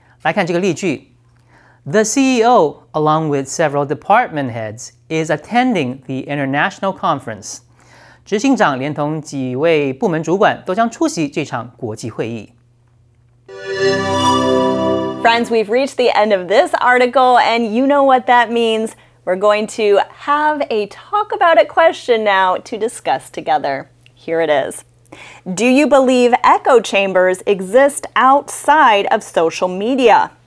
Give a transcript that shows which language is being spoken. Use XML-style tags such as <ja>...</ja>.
<zh>来看这个例句</zh> <en>：The CEO, along with several department heads, is attending the international conference.</en> <zh>执行长连同几位部门主管都将出席这场国际会议。</zh> <en>Friends, we've reached the end of this article, and you know what that means. We're going to have a talk about it question now to discuss together. Here it is. Do you believe echo chambers exist outside of social media?</en>